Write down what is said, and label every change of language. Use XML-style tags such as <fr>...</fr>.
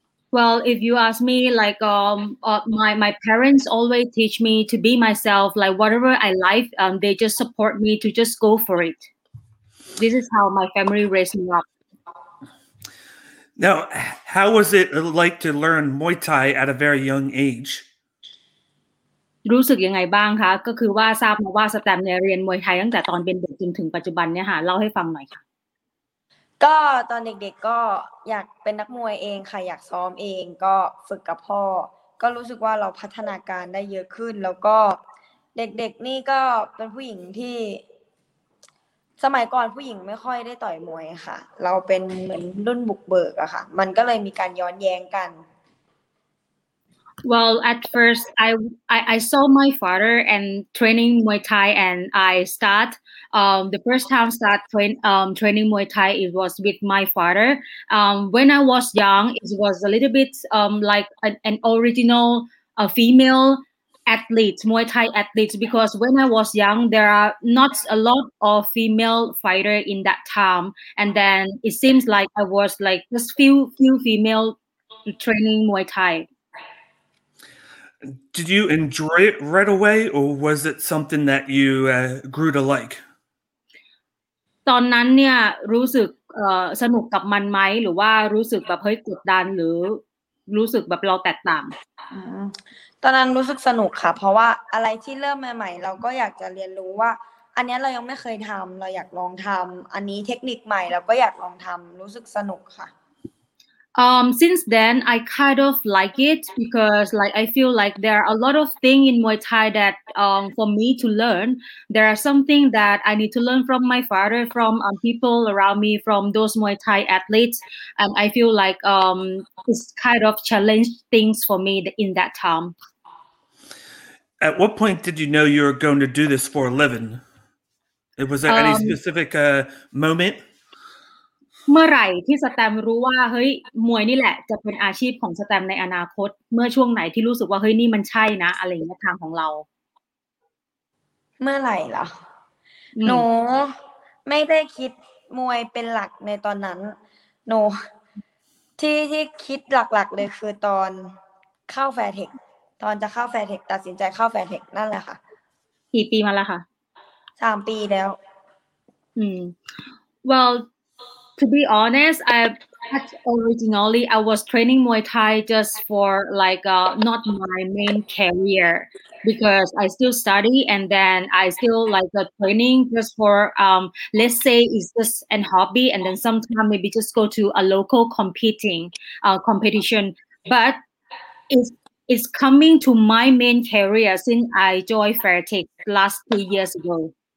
<en>Well, if you ask me, like my parents always teach me to be myself, like whatever I like, they just support me to just go for it. This is how my family raised me up. Now, how was it like to learn Muay Thai at a very young age?</en> <th>รู้สึกยังไงบ้างคะก็คือว่าทราบมาว่าสแตมป์เนี่ยเรียนมวยไทยตั้งแต่ตอนเป็นเด็กจนถึงปัจจุบันเนี่ยค่ะเล่าให้ฟังหน่อยค่ะ ก็ตอนเด็กๆก็อยากเป็นนักมวยเองค่ะอยากซ้อมเองก็ฝึกกับพ่อก็รู้สึกว่าเราพัฒนาการได้เยอะขึ้นแล้วก็เด็กๆนี่ก็เป็นผู้หญิงที่ สมัยก่อนผู้หญิงไม่ค่อยได้ต่อยมวยค่ะเราเป็นเหมือนรุ่นบุกเบิกอะค่ะมันก็เลยมีการย้อนแย้งกัน</th> <en>Well at first I saw my father and training Muay Thai and I start the first time start train training Muay Thai it was with my father when I was young it was a little bit like an original a femaleAthlete, Muay Thai athletes, because when I was young, there are not a lot of female fighter in that time. And then it seems like I was like just few female training Muay Thai. Did you enjoy it right away, or was it something that you grew to like?</en> <th>ตอนนั้นเนี่ยรู้สึกสนุกกับมันไหมหรือว่ารู้สึกแบบเฮ้ยกดดันหรือรู้สึกแบบเราแตกต่าง ตอนนั้นรู้สึกสนุกค่ะเพราะว่าอะไรที่เริ่มใหม่ๆเราก็อยากจะเรียนรู้ว่าอันนี้เรายังไม่เคยทำเราอยากลองทำอันนี้เทคนิคใหม่เราก็อยากลองทำรู้สึกสนุกค่ะ</th> <en>Since then I kind of like it because like I feel like there are a lot of things in Muay Thai that for me to learn there are something that I need to learn from my father from people around me from those Muay Thai athletes and I feel like it's kind of challenged things for me in that time At what point did you know you were going to do this for a living? Was there any specific moment?</en> <th>เมื่อไหร่ที่สแตมรู้ว่าเฮ้ยมวยนี่แหละจะเป็นอาชีพของสแตมในอนาคตเมื่อช่วงไหนที่รู้สึกว่าเฮ้ยนี่มันใช่นะอะไรในทางของเรา เมื่อไหร่เหรอหนูไม่ได้คิดมวยเป็นหลักในตอนนั้นหนูที่คิดหลักๆเลยคือตอนเข้าแฟร์เทคตอนจะเข้าแฟร์เทคตัดสินใจเข้าแฟร์เทคนั่นแหละค่ะ กี่ปีมาแล้วค่ะ 3ปีแล้ว</th> <en>Well to be honest I originally I was training Muay Thai just for like not my main career because I still study and then I still like the training just for let's say it's just a hobby and then sometime maybe just go to a local competition but it's coming to my main career since I joined Fairtex last 2 years ago.</en>